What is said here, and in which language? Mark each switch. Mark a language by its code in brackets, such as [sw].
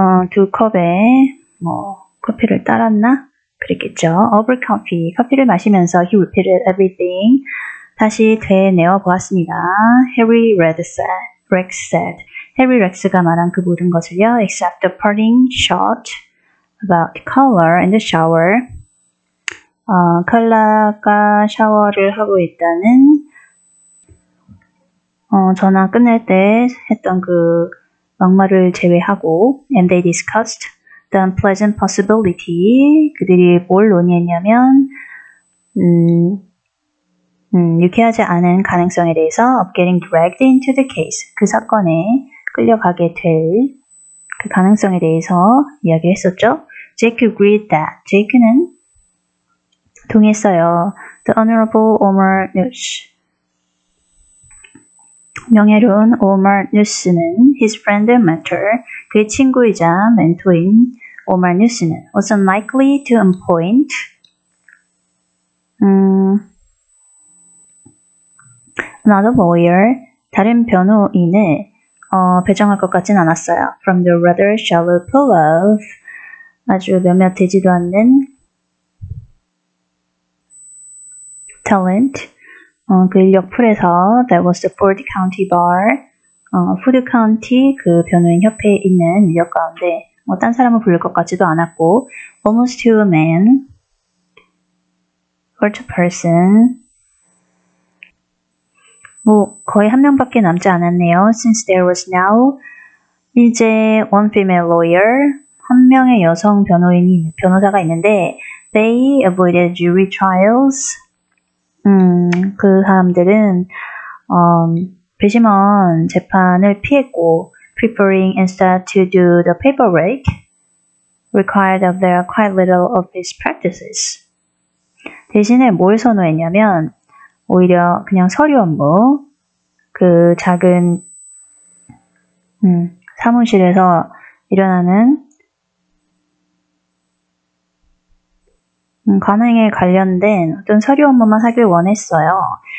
[ko] 두 컵에 뭐 커피를 따랐나? 그랬겠죠. [en] Over coffee. [ko] 커피를 마시면서 [en] he repeated everything. [ko] 다시 되뇌어 보았습니다. [en] Harry Rex said. [ko] Harry Rex가 말한 그 모든 것을요. [en] Except the parting shot about color in the shower. [ko] 컬러가 샤워를 하고 있다는 전화 끝낼 때 했던 그 막말을 제외하고 [en] and they discussed the unpleasant possibility. [ko] 그들이 뭘 논의했냐면 유쾌하지 않은 가능성에 대해서 [en] of getting dragged into the case. [ko] 그 사건에 끌려가게 될 그 가능성에 대해서 이야기했었죠. [en] Jake agreed that. [ko] Jake는 동의했어요. [en] The Honorable Omar Nush. [ko] 명예로운 [en] Omar Nush는 his friend and mentor, [ko] 그의 친구이자 멘토인 [en] Omar Nush는 was unlikely to appoint. [ko] 나도 lawyer, 다른 변호인을 배정할 것 같진 않았어요. [en] From the rather shallow pool of [ko] 아주 몇몇 되지도 않는 talent, 그 인력 풀에서 [en] that was the Ford County Bar, [ko] Ford County 그 변호인 협회에 있는 인력 가운데 뭐 딴 사람을 부를 것 같지도 않았고 [en] almost to a man or to a person [ko] 뭐 거의 한 명밖에 남지 않았네요. [en] Since there was now 이제 one female lawyer [ko] 한 명의 여성 변호인이 변호사가 있는데 [en] they avoided jury trials. [ko] 그 사람들은 배심원 재판을 피했고 [en] preferring instead to do the paperwork required of their quite little office practices. [ko] 대신에 뭘 선호했냐면 오히려 그냥 서류 업무 그 작은 사무실에서 일어나는 관행에 관련된 어떤 서류 업무만 하길 원했어요.